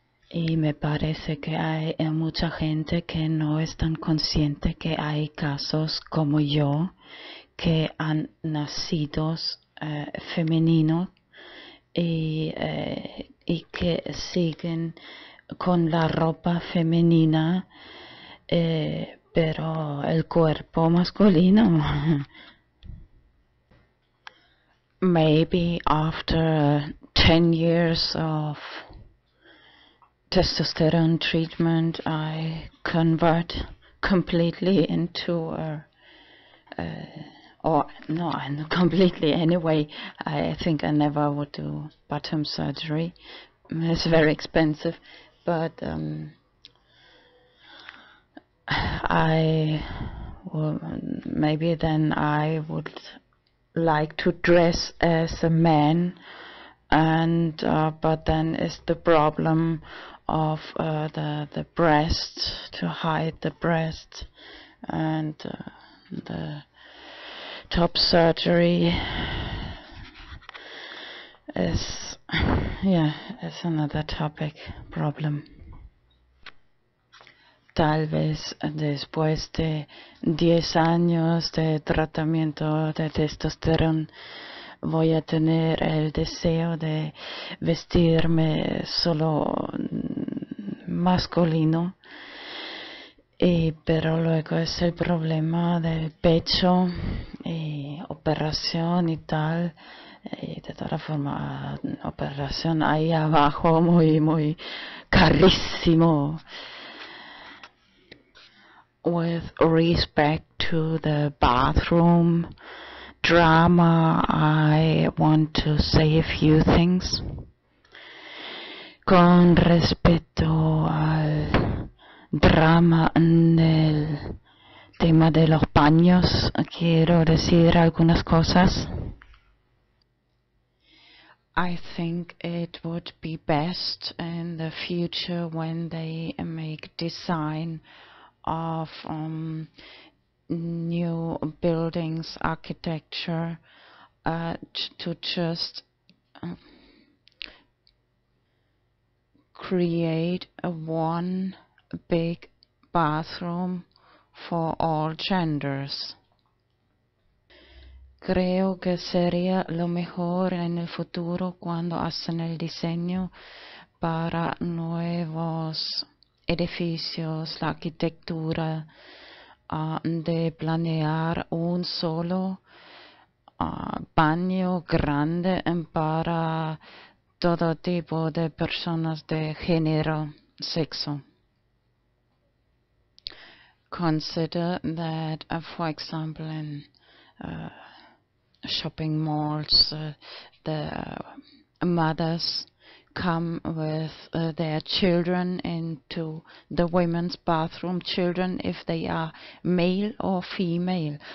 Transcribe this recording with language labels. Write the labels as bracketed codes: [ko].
[es] Y me parece que hay mucha gente que no es tan consciente que hay casos como yo que han nacido femeninos y que siguen con la ropa femenina pero el cuerpo masculino. [en] Maybe after 10 years of testosterone treatment, I convert completely into I think I never would do bottom surgery. It's very expensive, but maybe then I would like to dress as a man, and but then is the problem of the breast, to hide the breast, and the top surgery is another topic problem. [es] Tal vez después de 10 años de tratamiento de testosterona voy a tener el deseo de vestirme solo masculino. Y, pero luego es el problema del pecho y operación y tal. Y de todas formas, operación ahí abajo muy, muy carísimo. [en] With respect to the bathroom drama, I want to say a few things. [es] Con respecto al drama del tema de los baños, quiero decir algunas cosas. [en] I think it would be best in the future when they make design of new buildings, architecture, to just create one big bathroom for all genders. [es] Creo que sería lo mejor en el futuro cuando hacen el diseño para nuevos edificios, la arquitectura, de planear un solo baño grande para todo tipo de personas de género, sexo. [en] Consider that, for example, in shopping malls, the mothers come with their children into the women's bathroom, children if they are male or female.